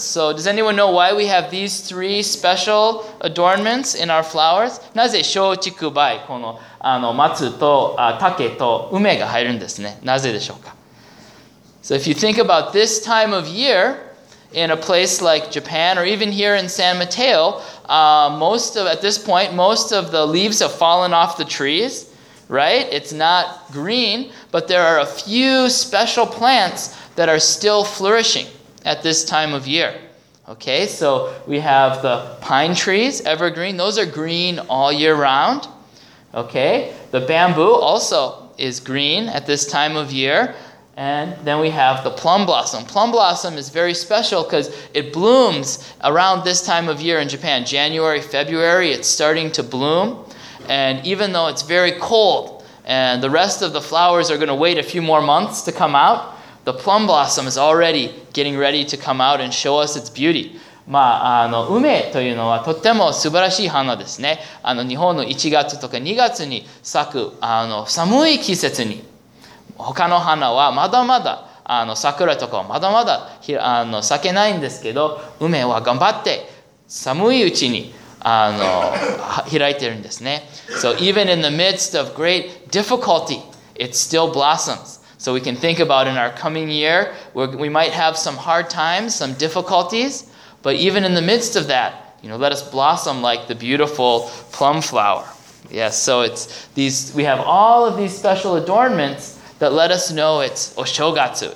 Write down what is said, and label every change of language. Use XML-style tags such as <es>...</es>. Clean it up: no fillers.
<en>So does anyone know why we have these three special adornments in our flowers?</en> <ja>なぜ sho chiku bai? この松と竹と梅が入るんですね。なぜでしょうか?</ja> <en>So if you think about this time of year, in a place like Japan, or even here in San Mateo, most of the leaves have fallen off the trees, right? It's not green, but there are a few special plants that are still flourishing at this time of year. Okay, so we have the pine trees, evergreen. Those are green all year round. Okay, the bamboo also is green at this time of year. And then we have the plum blossom. Plum blossom is very special because it blooms around this time of year in Japan. January, February, it's starting to bloom. And even though it's very cold and the rest of the flowers are going to wait a few more months to come out, the plum blossom is already getting ready to come out and show us its beauty.</en> <ja>まあ、梅というのはとっても素晴らしい花ですね。日本の1月とか2月に咲く寒い季節に他の花はまだまだ桜とかはまだまだ咲けないんですけど、梅は頑張って寒いうちに開いてるんですね。</ja> <en>So even in the midst of great difficulty, it still blossoms. So we can think about in our coming year, we might have some hard times, some difficultiesBut even in the midst of that, let us blossom like the beautiful plum flower. Yes, so it's these, we have all of these special adornments that let us know it's Oshogatsu.</en>